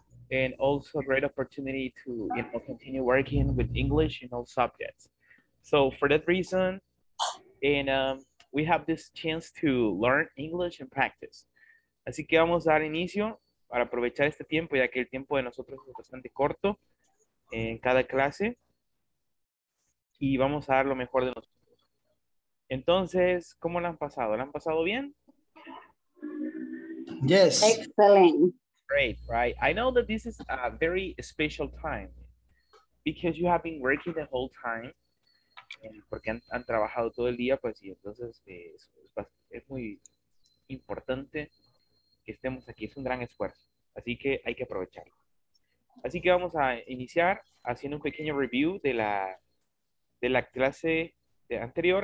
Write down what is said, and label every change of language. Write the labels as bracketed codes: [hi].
[en] And also a great opportunity to, you know, continue working with English in all subjects. So for that reason, and we have this chance to learn English and practice. [es] Así que vamos a dar inicio para aprovechar este tiempo, ya que el tiempo de nosotros es bastante corto en cada clase. Y vamos a dar lo mejor de nosotros. Entonces, ¿cómo la han pasado? ¿La han pasado bien? [en] Yes. Excellent. Great, right? I know that this is a very special time because you have been working the whole time. [es] Porque han trabajado todo el día, pues, y entonces es muy importante que estemos aquí. Es un gran esfuerzo. Así que hay que aprovecharlo. Así que vamos a iniciar haciendo un pequeño review de la clase de anterior.